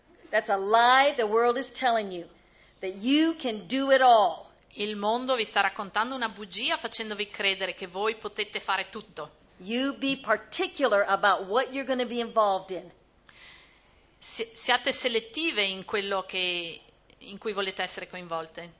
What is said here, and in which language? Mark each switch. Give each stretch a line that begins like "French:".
English: That's a lie the world is telling you, that you can do it all.
Italian: Il mondo vi sta raccontando una bugia facendovi credere che voi potete fare tutto.
English: You be particular about what you're going to be involved in.
Italian: Siate selettive in quello che in cui volete essere coinvolte.